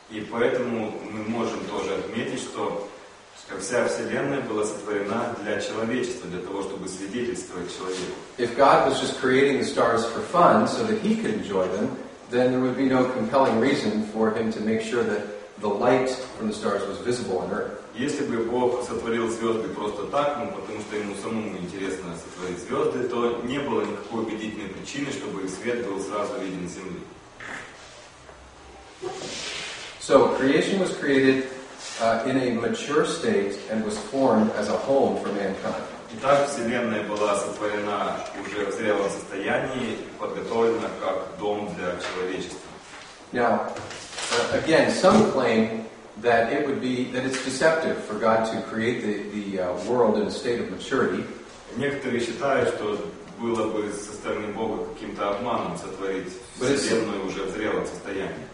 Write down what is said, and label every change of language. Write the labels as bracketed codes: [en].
[ru] И поэтому мы можем тоже отметить, что вся вселенная была сотворена для человечества, для того, чтобы свидетельствовать человеку. [en] If God was just creating the stars for fun so that He could enjoy them, then there would be no compelling reason for Him to make sure that the light from the stars was visible on Earth. [ru] Если бы Бог сотворил звезды просто так, ну, потому что ему самому интересно сотворить звезды, то не было никакой убедительной причины, чтобы их свет был сразу виден с Земли. [en] So, creation was created in a mature state and was formed as a home for mankind. [ru] Итак, Вселенная была сотворена уже в зрелом состоянии, подготовлена как дом для человечества. [en] Now, again, some claim that it would be that it's deceptive for God to create the world in a state of maturity. [ru] Некоторые считают, что было бы со стороны Бога каким-то обманом сотворить вселенную уже в зрелом состоянии.